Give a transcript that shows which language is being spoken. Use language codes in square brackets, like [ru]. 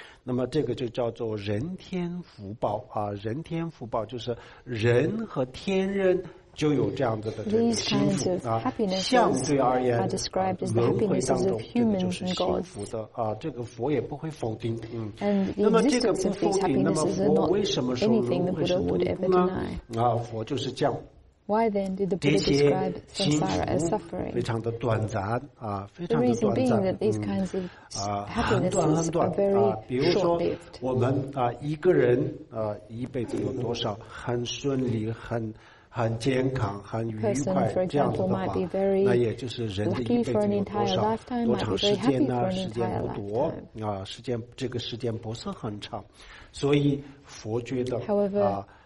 [zh] 那么这个就叫做人天福报啊，人天福报就是人和天人就有这样子的这个幸福啊。相对而言，轮回当中这个就是幸福的啊，这个佛也不会否定。嗯，那么这个不否定，那么佛为什么说轮回是无苦呢？啊，佛就是这样。 [en] Why then did the Buddha describe samsara as suffering? [zh] 非常的短暂啊，非常的短暂。 [en] The reason being that these kinds of happiness are very short-lived. [zh] 比如说，我们啊一个人啊一辈子有多少很顺利、很健康、很愉快这样子的话，那也就是人的一辈子有多少多长时间呢？时间不多啊，时间这个时间不是很长，所以佛觉得啊。